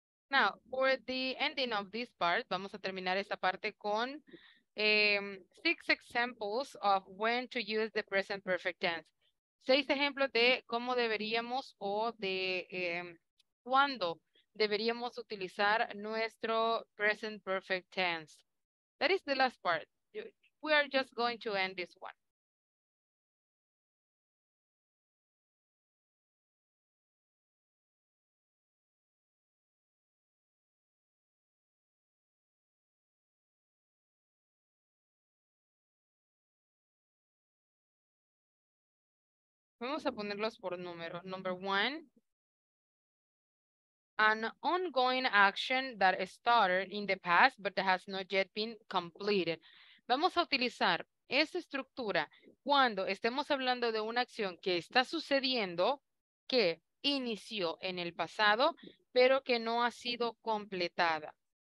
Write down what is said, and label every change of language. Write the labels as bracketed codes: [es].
[en] Now, for the ending of this part, [es] vamos a terminar esta parte con [en] six examples of when to use the present perfect tense. [es] Seis ejemplos de cómo deberíamos o de cuándo deberíamos utilizar nuestro present perfect tense. [en] That is the last part. We are just going to end this one. [es] Vamos a ponerlos por número. [en] Number one. An ongoing action that started in the past but has not yet been completed. [es] Vamos a utilizar esta estructura cuando estemos hablando de una acción que está sucediendo, que inició en el pasado, pero que no ha sido completada.